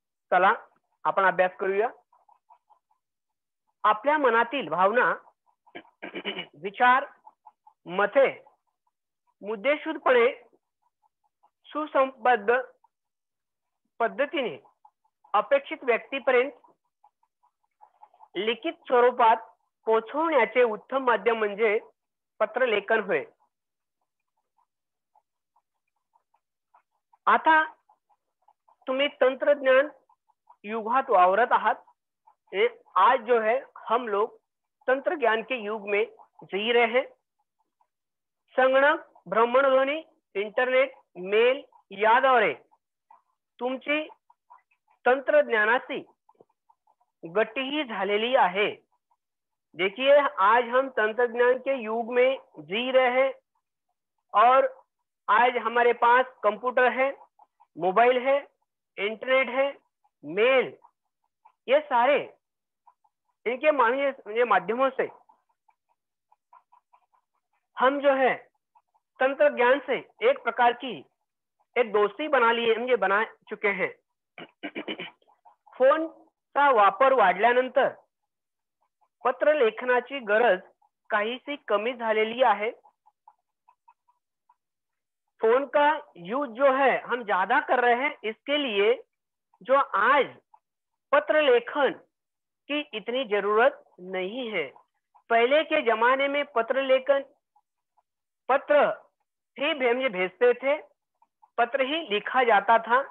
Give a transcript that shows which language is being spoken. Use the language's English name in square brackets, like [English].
[Marathi] चला आपण अभ्यास करूया. आपल्या मनातील भावना, विचार, मते मुद्देशूरपणे सुसंबद्ध पद्धतीने अपेक्षित व्यक्तीपर्यंत लिखित स्वरूपात पोहोचवण्याचे उत्तम माध्यम म्हणजे पत्र लेखन होय. आता तुम्ही तंत्रज्ञान युगात वावरत आहात. [Hindi] आज जो है हम लोग तंत्रज्ञान के युग में जी रहे हैं. [Marathi] संगणक, भ्रमणध्वनी, इंटरनेट, मेल याद्वारे तुमची तंत्रज्ञानाची गट्टी ही झालेली आहे. [Hindi] देखिए आज हम तंत्रज्ञान के युग में जी रहे हैं और आज हमारे पास कंप्यूटर है, मोबाइल है, इंटरनेट है, मेल, ये सारे इनके माध्यमों से हम जो है तंत्र ज्ञान से एक प्रकार की एक दोस्ती बना लिए, हम ये बना चुके हैं. [Marathi] फोन का वापर वाढल्यानंतर पत्र लेखनाची गरज काहीशी कमी झालेली आहे. [Hindi] फोन का यूज जो है हम ज्यादा कर रहे हैं, इसके लिए जो आज पत्र लेखन की इतनी जरूरत नहीं है. पहले के जमाने में पत्र लेखन पत्र ही भेजते थे, पत्र ही लिखा जाता था.